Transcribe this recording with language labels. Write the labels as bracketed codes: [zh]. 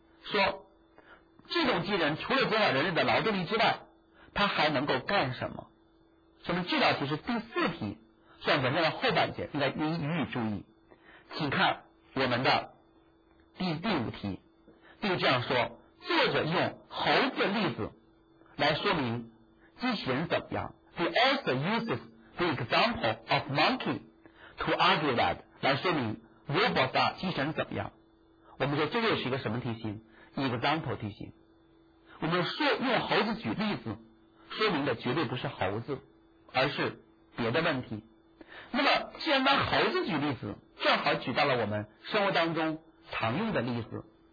[zh] 说这种机器人除了减少人类的劳动力之外，它还能够干什么？什么？这道题是第四题，算文章的后半节，应该予以注意。请看我们的第五题，第五这样说：作者用猴子例子来说明机器人怎么样。 [en] The author uses the example of monkey to argue that [zh] 来说明 [en] robots [zh] 的机器人怎么样。我们说这又是一个什么题型 ？Example 题型。我们说用猴子举例子，说明的绝对不是猴子。而是别的问题。那么既然拿猴子举例子，正好举到了我们生活当中常用的例子。